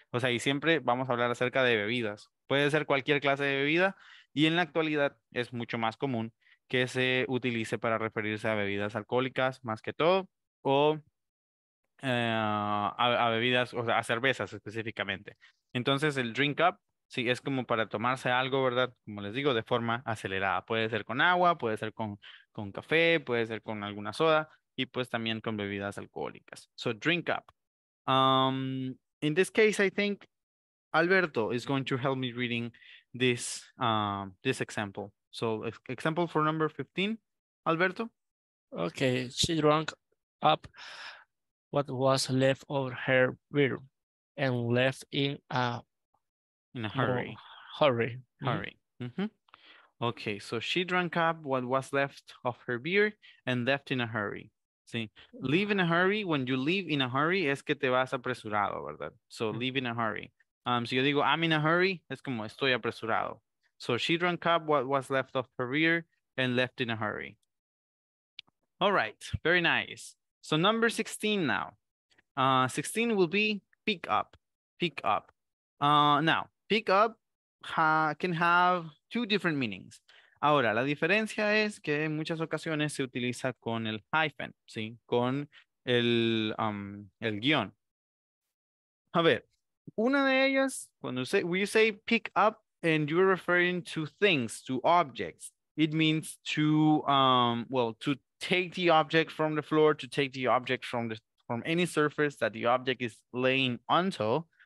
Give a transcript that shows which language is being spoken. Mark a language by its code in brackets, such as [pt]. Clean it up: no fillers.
[es] O sea, y siempre vamos a hablar acerca de bebidas. Puede ser cualquier clase de bebida, y en la actualidad es mucho más común que se utilice para referirse a bebidas alcohólicas, más que todo, o a bebidas, o sea, a cervezas específicamente. Entonces, el drink up, sí, es como para tomarse algo, ¿verdad? Como les digo, de forma acelerada. Puede ser con agua, puede ser con café, puede ser con alguna soda, y pues también con bebidas alcohólicas. [en] So, drink up. In this case, I think Alberto is going to help me reading this this example. So, example for number 15, Alberto. Okay, she drank up what was left of her beer and left in a hurry. Mm-hmm. Okay, so she drank up what was left of her beer and left in a hurry. Sí. Leave in a hurry, when you leave in a hurry, [es] es que te vas apresurado, ¿verdad? [en] So, leave in a hurry. [es] Si yo digo, [en] I'm in a hurry, [es] es como estoy apresurado. [en] So, she drank up what was left of her beer and left in a hurry. All right, very nice. So, number 16 now. 16 will be pick up. pick up. Now, pick up can have two different meanings. [es] Ahora, la diferencia es que en muchas ocasiones se utiliza con el hyphen, ¿sí? Con el guión. A ver, una de ellas, cuando [en] say, when you say pick up and you're referring to things, to objects, it means to, well, to take the object from the floor, to take the object from the from any surface that the object is laying onto.